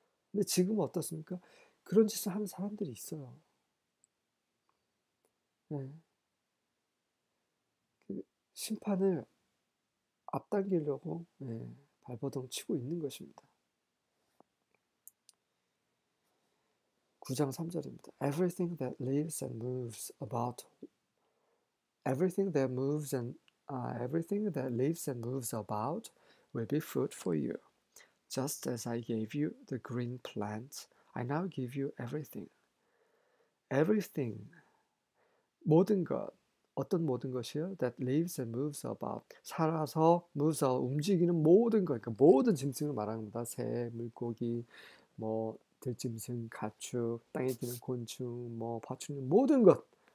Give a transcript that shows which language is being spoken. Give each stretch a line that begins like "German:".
Korean: 근데 지금은 어떻습니까? 그런 짓을 하는 사람들이 있어요. 네. 그 심판을 앞당기려고 네. 발버둥 치고 있는 것입니다. 9장 3절입니다.
English: Everything that lives and moves about, everything that moves and everything that lives and moves about will be food for you. Just as I gave you the green plant, I now give you everything. Everything.
Korean: 모든 것, 어떤 모든 것이요?
English: That lives and moves about.
Korean: 살아서,
English: moves about,
Korean: 움직이는 모든 것. 그러니까 모든 짐승을 말합니다. 새, 물고기, 뭐, 들짐승, 가축, 땅에 있는 곤충, 뭐, 파충류, 모든 것.